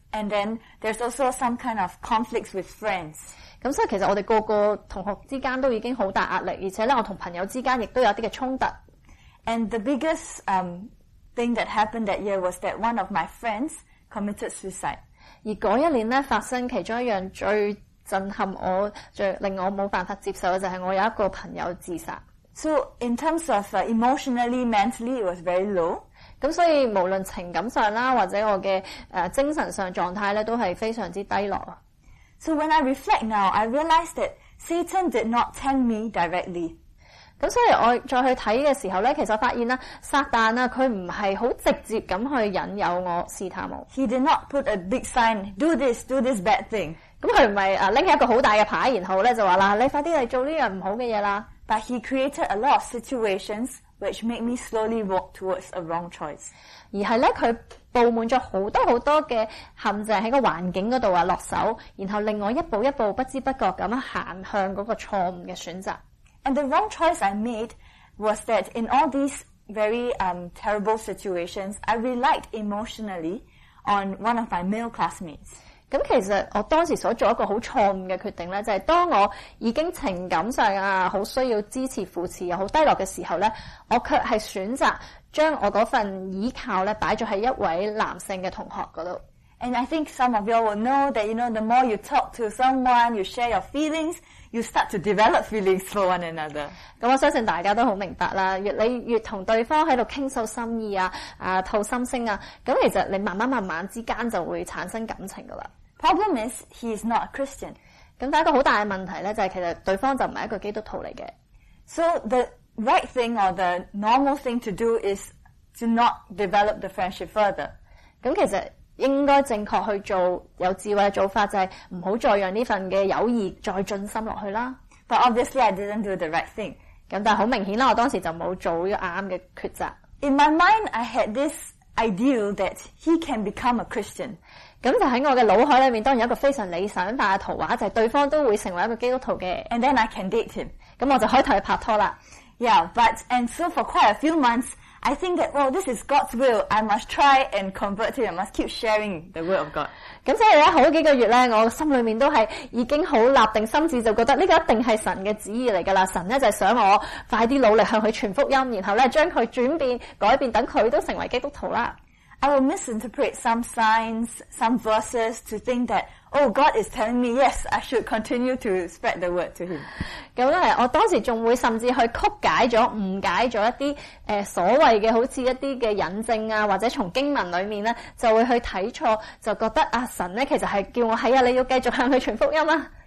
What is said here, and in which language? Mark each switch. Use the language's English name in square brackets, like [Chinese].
[English] And then there's also some kind of conflicts with friends. [Cantonese] 咁所以其實我哋個個同學之間都已經好大壓力，而且咧我同朋友之間亦都有啲嘅衝突。 [English] And the biggest thing that happened that year was that one of my friends committed suicide. [Cantonese] 而嗰一年咧發生其中一樣最震撼我、最令我冇辦法接受嘅就係我有一個朋友自殺。 [English] So in terms of emotionally, mentally, it was very low. [Cantonese] 咁所以無論情感上啦，或者我嘅精神上狀態咧，都係非常之低落。 [English] So when I reflect now, I realize that Satan did not tempt me directly. [Cantonese] 咁所以我再去睇嘅時候咧，其實我發現啦，撒旦啊，佢唔係好直接咁去引誘我試探我。 [English] He did not put a big sign, do this bad thing. [Cantonese] 咁佢唔係拎起一個好大嘅牌，然後咧就話啦，你快啲嚟做呢樣唔好嘅嘢啦。 [English] But he created a lot of situations. Which made me slowly walk towards a wrong choice. [Cantonese] 而系咧，佢布满咗好多好多嘅陷阱喺个环境嗰度啊落手，然后令我一步一步不知不觉咁行向嗰个错误嘅选择。 [English] And the wrong choice I made was that in all these very terrible situations, I relied emotionally on one of my male classmates. [Cantonese] 咁其實我當時所做一個好錯誤嘅決定咧，就係當我已經情感上啊好需要支持扶持又好低落嘅時候咧，我卻係選擇將我嗰份依靠咧擺咗喺一位男性嘅同學嗰度。 [English] And I think some of y'all will know that, you know, the more you talk to someone, you share your feelings, you start to develop feelings for one another. [Cantonese] 咁我相信大家都好明白啦，越你越同对方喺度倾诉心意啊，吐心声啊，咁其实你慢慢慢慢之间就会产生感情噶啦。 [English] Problem is, he is not a Christian. [Cantonese] 咁但一个好大嘅问题咧，就系其实对方就唔系一个基督徒嚟嘅。 [English] So the right thing or the normal thing to do is to not develop the friendship further. [Cantonese] 咁其实应该正确去做有智慧嘅做法，就系唔好再让呢份嘅友谊再进深落去啦。 [English] But obviously, I didn't do the right thing. [Cantonese] 咁但系好明显啦，我当时就冇做呢个啱嘅抉择。 [English] In my mind, I had this ideal that he can become a Christian. [Cantonese] 咁就喺我嘅脑海里面，当然有一个非常理想化嘅图画，就系对方都会成为一个基督徒嘅。 [English] And then I can date him. [Cantonese] 咁我就可以同佢拍拖啦。 [English] Yeah, but and so for quite a few months. I think that, well, this is God's will. I must try and convert him. I must keep sharing the word of God. [Cantonese] 咁所以咧，好几个月咧，我心里面都系已经好立定心智，就觉得呢个一定系神嘅旨意嚟噶啦。神咧就想我快啲努力向佢传福音，然后咧将佢转变、改变，等佢都成为基督徒啦。 [English] I will misinterpret some signs, some verses to think that, oh, God is telling me, yes, I should continue to spread the word to him. [Cantonese] 咁咧，我当时仲会甚至去曲解咗、误解咗一啲所谓嘅好似一啲嘅引证啊，或者从经文里面咧，就会去睇错，就觉得啊，神咧其实系叫我系啊，你要继续向佢传福音啦。